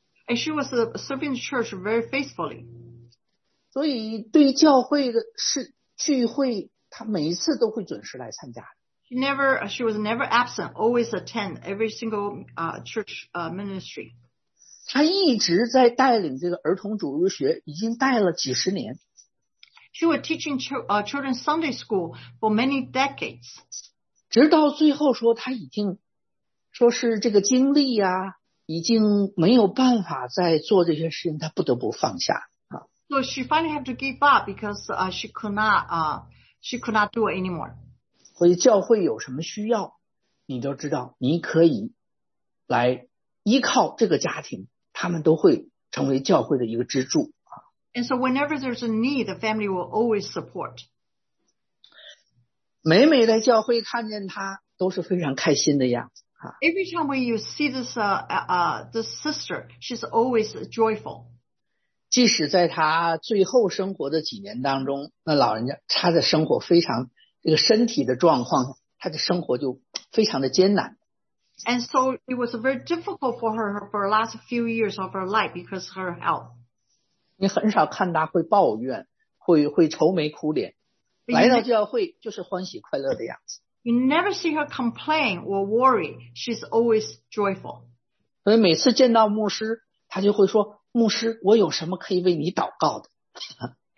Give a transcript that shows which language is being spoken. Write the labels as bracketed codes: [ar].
[en] And she was serving the church very faithfully. [zh] 所以对教会的聚会她每一次都会准时来参加。 [en] She was never absent, always attend every single church ministry. [zh] 她一直在带领这个儿童主日学已经带了几十年。 [en] She was teaching children Sunday school for many decades. [zh] 直到最后说她已经说是这个精力啊已经没有办法再做这些事情他不得不放下。 [en] So she finally had to give up because she could not do it anymore. [zh] 所以教会有什么需要你都知道你可以来依靠这个家庭他们都会成为教会的一个支柱。 [en] And so whenever there's a need, the family will always support. [zh] 每每在教会看见他都是非常开心的样子。 [en] Every time when you see this, this sister, she's always joyful. [zh] 即使在她最后生活的几年当中，那老人家她的生活非常，这个身体的状况，她的生活就非常的艰难。 [en] And so it was very difficult for her for the last few years of her life because of her health. [zh] 你很少看她会抱怨，会愁眉苦脸，来到教会就是欢喜快乐的样子。 [en] You never see her complain or worry. She's always joyful. [zh] 所以每次见到牧师，她就会说：“牧师，我有什么可以为你祷告的？”